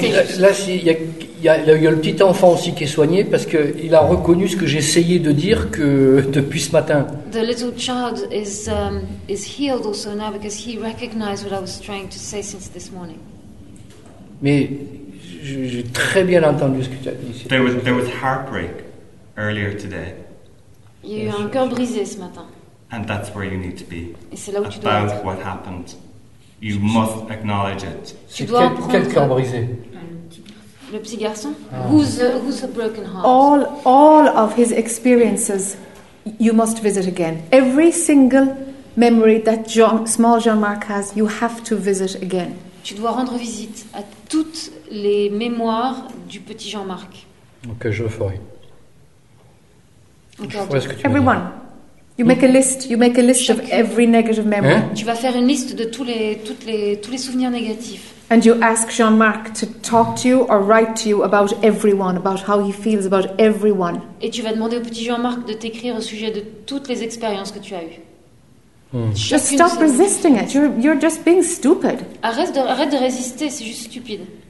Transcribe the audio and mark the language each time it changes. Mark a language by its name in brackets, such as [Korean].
[French] Il y a le petit enfant aussi qui est soigné parce qu'il a reconnu ce que j'essayais de dire que depuis ce matin. [English] The little child is healed also now because he recognized what I was trying to say since this morning. [French] Mais j'ai très bien entendu ce que tu as dit. [English] There was heartbreak earlier today. [French] Il y a eu un cœur brisé ce matin. [English] And that's where you need to be. [French] Et c'est là où tu dois être. [English] About what happened, you must acknowledge it. [French] Tu dois en prendre. Quel cœur brisé? Le petit garçon. Ah. [English] Who's a broken heart? All of his experiences, you must visit again. Every single memory that small Jean-Marc has, you have to visit again. [French] Tu dois rendre visite à toutes les mémoires du petit Jean-Marc. Ok, je le ferai. [English] Everyone, you make a list. You make a list of every negative memory. [French] Tu vas faire une liste de tous les souvenirs négatifs. [English] And you ask Jean-Marc to talk to you or write to you about everyone, about how he feels about everyone. [French] Et tu vas demander au petit Jean-Marc de t'écrire au sujet de toutes les expériences que tu as eues. [English] Just stop resisting it. You're just being stupid. [French] Arrête de résister, c'est juste stupide.